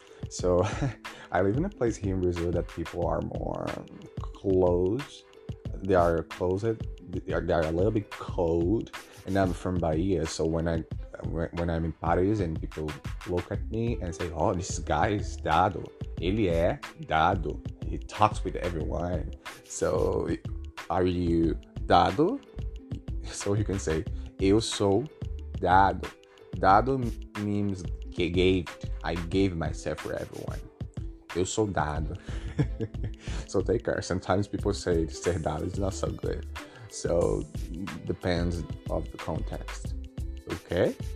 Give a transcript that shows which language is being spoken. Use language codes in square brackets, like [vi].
[en] So I live in a place here in Brazil that people are more closed. They are closed. They are a little bit cold. And I'm from Bahia, so when I'm in Paris and people look at me and say, oh, this guy is dado, [pt] ele é dado, [en] he talks with everyone. So, are you dado? So you can say, [pt] eu sou dado. [en] Dado means I gave myself for everyone. [pt] Eu sou dado. [en] So take care. Sometimes people say, ser dado is not so good. So, depends of the context, okay?